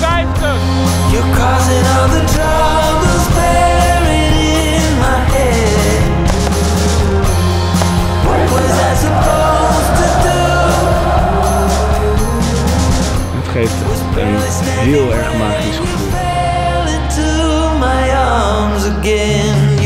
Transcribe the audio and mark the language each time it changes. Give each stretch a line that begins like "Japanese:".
English: You're causing all the troubles buried in my head. What was I supposed to do?
Dutch: Het geeft een heel erg magisch gevoel.
English: You fell into my arms again.